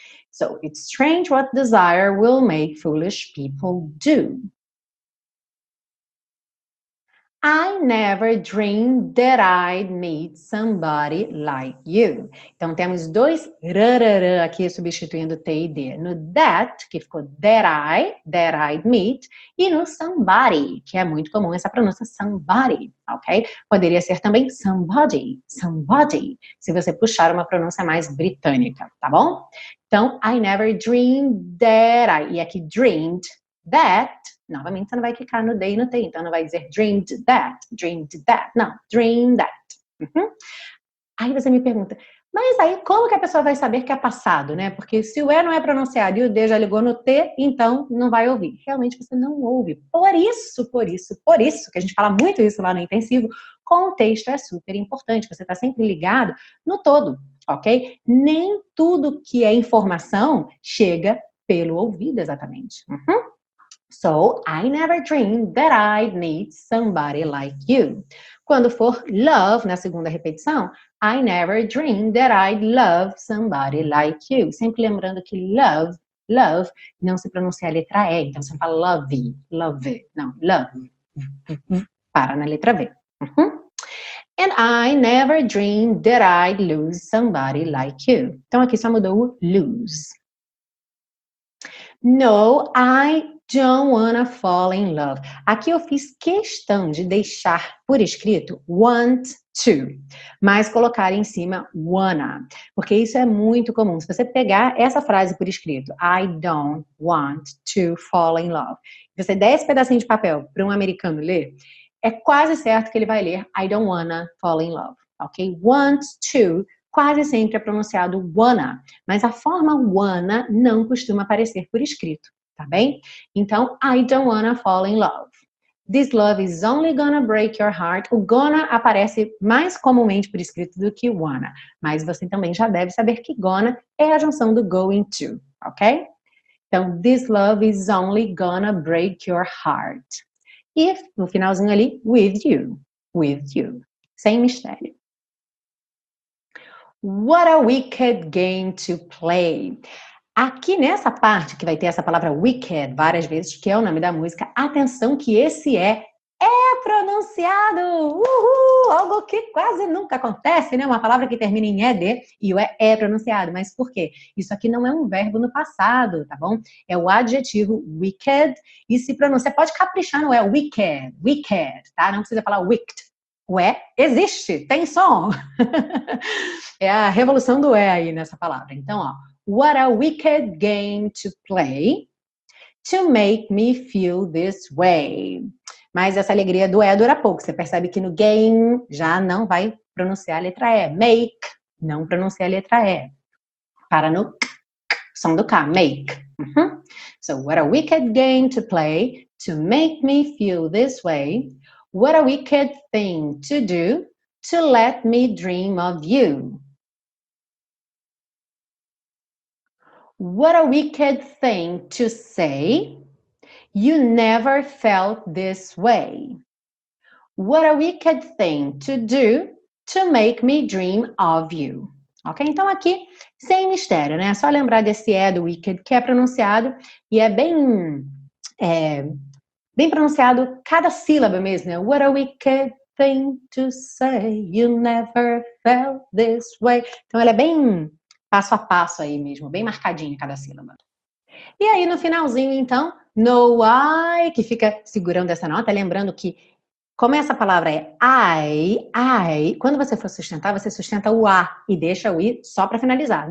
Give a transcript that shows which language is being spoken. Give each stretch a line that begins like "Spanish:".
English: So, it's strange what desire will make foolish people do. I never dreamed that I'd meet somebody like you.
Portuguese: Então, temos dois rararã aqui substituindo T e D. No that, que ficou
English: that I'd meet,
Portuguese: e no
English: somebody,
Portuguese: que é muito comum essa pronúncia, somebody, ok? Poderia ser também somebody, se você puxar uma pronúncia mais britânica, tá bom? Então,
English: I never dreamed that I,
Portuguese: e aqui
English: dreamed that,
Portuguese: novamente, você não vai clicar no D e no T, então não vai dizer dreamed that. Não,
English: dream that.
Portuguese: Uhum. Aí você me pergunta, mas aí como que a pessoa vai saber que é passado, né? Porque se o E não é pronunciado e o D já ligou no T, então não vai ouvir. Realmente você não ouve. Por isso, que a gente fala muito isso lá no intensivo, contexto é super importante, você está sempre ligado no todo, ok? Nem tudo que é informação chega pelo ouvido exatamente. Uhum.
English: So, I never dreamed that I'd meet somebody like you.
Portuguese: Quando for love, na segunda repetição,
English: I never dreamed that I'd love somebody like you.
Portuguese: Sempre lembrando que love, não se pronuncia a letra E. Então, você fala love. Não, love. Para na letra V. Uhum.
English: And I never dreamed that I'd lose somebody like you.
Portuguese: Então, aqui só mudou o lose.
English: No, I don't wanna fall in love.
Portuguese: Aqui eu fiz questão de deixar por escrito
English: want to,
Portuguese: mas colocar em cima
English: wanna,
Portuguese: porque isso é muito comum. Se você pegar essa frase por escrito,
English: I don't want to fall in love,
Portuguese: você der esse pedacinho de papel para um americano ler, é quase certo que ele vai ler
English: I don't wanna fall in love,
Portuguese: ok?
English: Want to.
Portuguese: Quase sempre é pronunciado wanna, mas a forma wanna não costuma aparecer por escrito, tá bem? Então,
English: I don't wanna fall in love. This love is only gonna break your heart.
Portuguese: O gonna aparece mais comumente por escrito do que wanna, mas você também já deve saber que gonna é a junção do
English: going to,
Portuguese: ok? Então,
English: this love is only gonna break your heart.
Portuguese: E no finalzinho ali,
English: with you.
Portuguese: Sem mistério.
English: What a wicked game to play.
Portuguese: Aqui nessa parte que vai ter essa palavra wicked várias vezes, que é o nome da música, atenção que esse é pronunciado. Uhul! Algo que quase nunca acontece, né? Uma palavra que termina em ed e o é pronunciado. Mas por quê? Isso aqui não é um verbo no passado, tá bom? É o adjetivo wicked e se pronuncia. Pode caprichar no é wicked, tá? Não precisa falar wicked. O E existe, tem som. É a revolução do E aí nessa palavra. Então, ó,
English: what a wicked game to play to make me feel this way.
Portuguese: Mas essa alegria do E dura pouco. Você percebe que no game já não vai pronunciar a letra E. Make, não pronuncia a letra E. Para no k, Som do K, make. Uh-huh.
English: So, what a wicked game to play to make me feel this way. What a wicked thing to do to let me dream of you. What a wicked thing to say. You never felt this way. What a wicked thing to do to make me dream of you. Ok?
Portuguese: Então, aqui, sem mistério, né? Só lembrar desse é do wicked que é pronunciado e é bem pronunciado cada sílaba mesmo, né?
English: What a wicked thing to say. You never felt this way.
Portuguese: Então, ela é bem passo a passo aí mesmo, bem marcadinha cada sílaba. E aí, no finalzinho, então, no I, que fica segurando essa nota, lembrando que como essa palavra é I, quando você for sustentar, você sustenta o A e deixa o I só para finalizar.